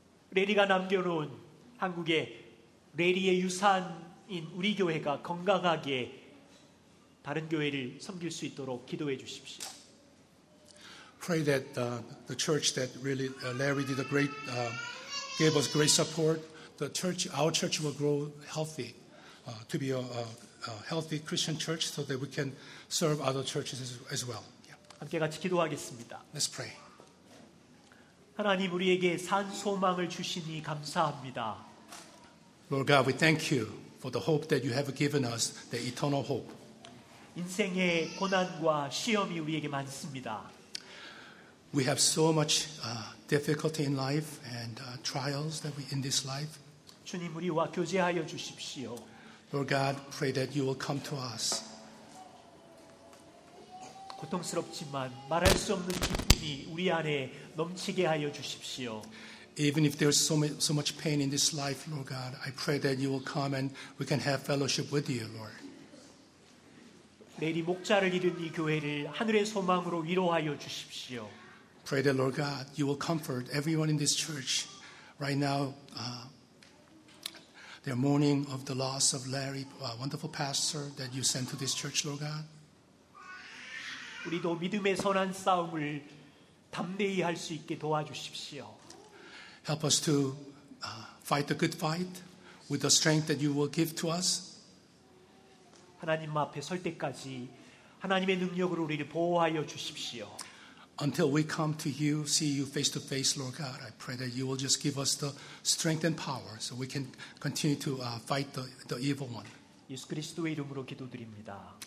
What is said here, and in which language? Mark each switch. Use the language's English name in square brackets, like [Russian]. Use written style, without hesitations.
[Korean] 레리가 남겨놓은 한국의 레리의 유산 우리 교회가 건강하게 다른 교회를 섬길 수 있도록 기도해 주십시오. [English] pray that the church that really Larry did a great gave us great support. The church, our church, will grow healthy to be a healthy Christian church, so that we can serve other churches as well. Yeah. [Korean] 함께 같이 기도하겠습니다. [English] Let's pray. [Korean] 하나님 우리에게 산 소망을 주시니 감사합니다. [English] Lord God, we thank you for the hope that you have given us, the eternal hope. [Korean] 인생의 고난과 시험이 우리에게 많습니다. [English] We have so much difficulty in life and trials that we in this life. [Korean] 주님 우리와 교제하여 주십시오. [English] Lord God, pray that you will come to us. [Korean] 고통스럽지만 말할 수 없는 기쁨이 우리 안에 넘치게 하여 주십시오. [English] Even if there's so much pain in this life, Lord God, I pray that you will come and we can have fellowship with you, Lord. [Korean] 내일 이 목자를 잃은 이 교회를 하늘의 소망으로 위로하여 주십시오. [English] Pray that, Lord God, you will comfort everyone in this church right now. Their mourning of the loss of Larry, a wonderful pastor that you sent to this church, Lord God. [Korean] 우리도 믿음의 선한 싸움을 담대히 할 수 있게 도와주십시오. [English] Help us to fight the good fight with the strength that you will give to us. [Korean] 하나님 앞에 설 때까지 하나님의 능력으로 우리를 보호하여 주십시오. [English] Until we come to you, see you face to face, Lord God, I pray that you will just give us the strength and power so we can continue to fight the evil one. [Korean] 예수 그리스도의 이름으로 기도드립니다.